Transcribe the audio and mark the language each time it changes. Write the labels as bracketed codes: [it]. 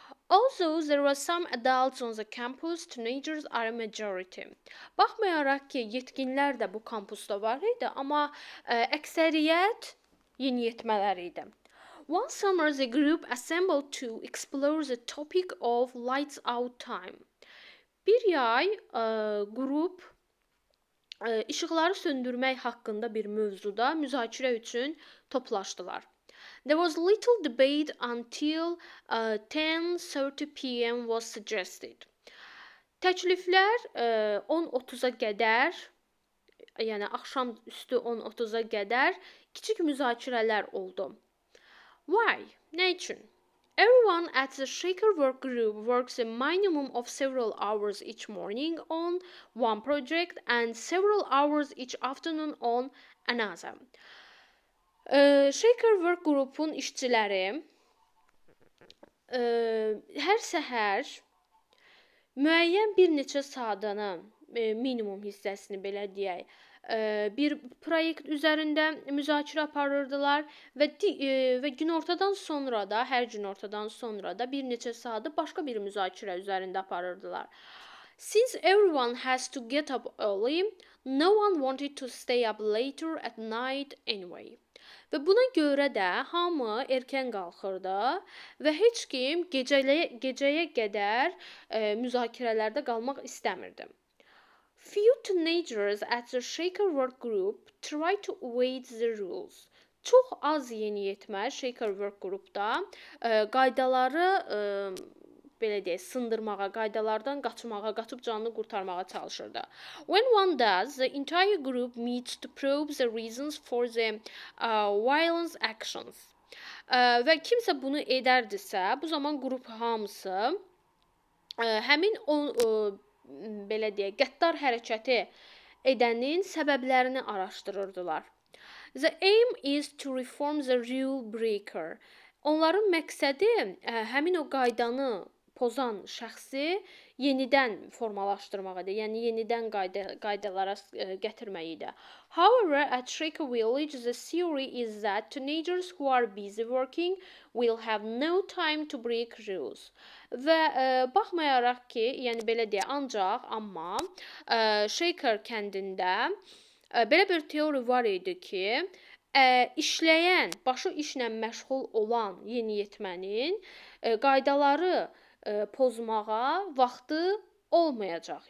[en] Also, there were some adults on the campus, teenagers are a majority. [az] Baxmayaraq ki, yetkinlər də bu kampusda var idi, amma əksəriyyət yeni yetmələr idi. [en] One summer, the group assembled to explore the topic of lights out time. [az] Bir yay grup işıqları söndürmək haqqında bir mövzuda müzakirə üçün toplaşdılar. [en] There was little debate until 10:30 p.m. was suggested. [az] Təkliflər 10:30-a qədər, yəni axşam üstü 10:30-a qədər kiçik müzakirələr oldu. [en] Why? [az] Nə üçün? [en] Everyone at the Shaker work group works a minimum of several hours each morning on one project and several hours each afternoon on another. [az] Shaker work grubun işçileri her seher müəyyən bir neçə saatını minimum hissəsini belə deyək bir proyekt üzərində müzakirə aparırdılar və günortadan sonra da hər günortadan sonra da bir neçə saatı başqa bir müzakirə üzərində aparırdılar. [en] Since everyone has to get up early, no one wanted to stay up later at night anyway. [az] Və buna görə də hamı erkən qalxırdı və heç kim gecəyə qədər müzakirələrdə qalmaq istəmirdi. [en] Few teenagers at the Shaker Work Group try to evade the rules. [az] Çox az yeni yetmə Shaker Work Group'da qaydaları belə deyək, sındırmağa, qaydalardan qaçmağa, qaçıb canını qurtarmağa çalışırdı. [en] When one does, the entire group meets to probe the reasons for the violent actions. [az] Və kimsə bunu edərdisə, bu zaman qrup hamısı həmin o belə deyək, qəddar hərəkəti edənin səbəblərini araşdırırdılar. [en] The aim is to reform the rule breaker. [az] Onların məqsədi həmin o qaydanı pozan şəxsi yenidən formalaşdırmaqdır, yəni yenidən qaydalara gətirmək idi. [en] However, at Shaker Village, the theory is that teenagers who are busy working will have no time to break rules. [az] Və baxmayaraq ki, yəni belə deyə ancaq, amma Shaker kəndində belə bir teori var idi ki, işləyən, başı işlə məşğul olan yeni yetmənin qaydaları pozmağa vaxtı olmayacaq.